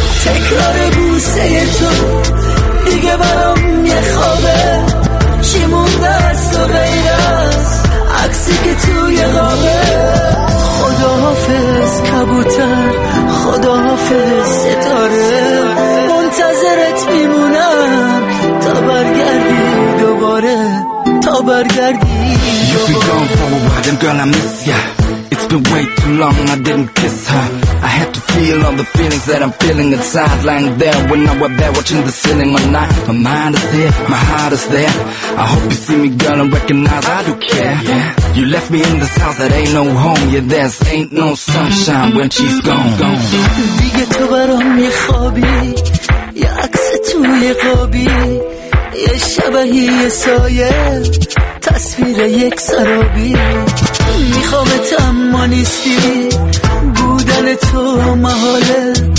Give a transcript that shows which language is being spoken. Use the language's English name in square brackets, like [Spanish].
[Persian] تکرار بوسه تو دیگه برام یه خوابه، چی مونده از تو غیر از عکسی که توی قابه. خدا حافظ کبوتر، خدا حافظ ستاره، منتظرت میمونم تا برگردی دوباره، تا برگردی. [English] You be gone for a while, then girl I miss ya. It's been way too long, I didn't kiss her. I had to feel all the feelings that I'm feeling inside. Lying there when I was there, watching the ceiling all night. My mind is here, my heart is there. I hope you see me, girl, and recognize I do care. Yeah. You left me in this house that ain't no home. Yeah, there's ain't no sunshine when she's gone. [Persian] دیگه تو برام یه خوابی، یه عکس توی خوابی، یه شبهی یه سایه، تصویر یک سرابی. میخوام تم نیستی، بودن تو محاله.